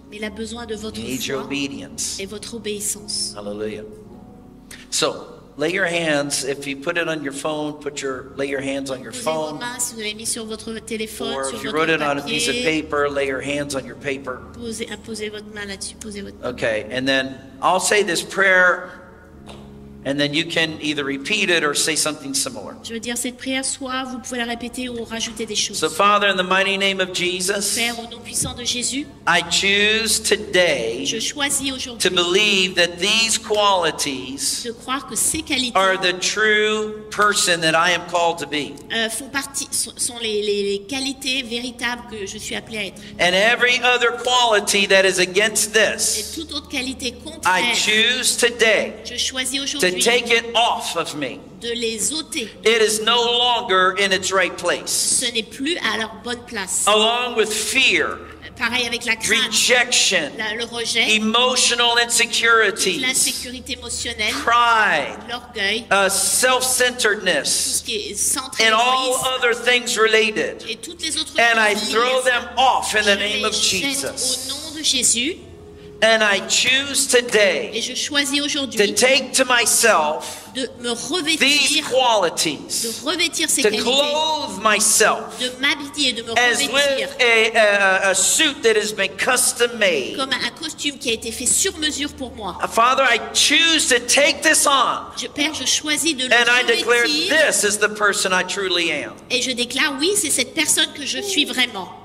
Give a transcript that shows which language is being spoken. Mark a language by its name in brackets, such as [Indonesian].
[French] Il a besoin de votre foi et votre obéissance. [English] Hallelujah. So, lay your hands. If you put it on your phone, lay your hands on your phone. [French] Posez vos mains si vous l'avez mis sur votre téléphone, sur votre papier. [English] Or if you wrote it on a piece of paper, lay your hands on your paper. [French] Posez votre main là-dessus. Posez votre. [English] Okay, and then I'll say this prayer, and then you can either repeat it or say something similar. [French] Je veux dire cette prière, soit vous pouvez la répéter ou rajouter des choses. [English] So Father, in the mighty name of Jesus, [French] Père, au nom puissant de Jésus, [English] I choose today, [French] je choisis aujourd'hui, [English] to believe that these qualities, [French] de croire que ces qualités, [English] are the true person that I am called to be. [French] Font partie, sont les qualités véritables que je suis appelé à être. [English] And every other quality that is against this, [French] et toute autre qualité contraire, [English] I choose today, [French] je choisis aujourd'hui, [English] to take it off of me. [French] De les ôter. [English] It is no longer in its right place. [French] Ce n'est plus à leur bonne place. [English] Along with fear. [French] Pareil avec la crainte. [English] Rejection. [French] Le rejet. [English] Emotional insecurities. [French] L'insécurité émotionnelle. [English] Pride. [French] L'orgueil. [English] Self-centeredness. [French] Tout ce qui est centré. [English] And all other things related. [French] Et toutes les autres. [English] And I throw them off in the name of Jesus. [French] Au nom de Jésus. [English] And I choose today, [French] et je choisis aujourd'hui, [English] to take to myself, [French] de me revêtir, [English] these qualities, [French] de revêtir ces [English] to clothe myself, [French] de m'habiller et de me [English] as [French] revêtir, [English] with a suit that has been custom made, [French] comme un costume qui a été fait sur mesure pour moi. [English] Father, I choose to take this on, [French] je, Père, je choisis de le [English] and [French] revêtir, [English] I declare this is the person I truly am, [French] et je déclare oui, c'est cette personne que je suis vraiment.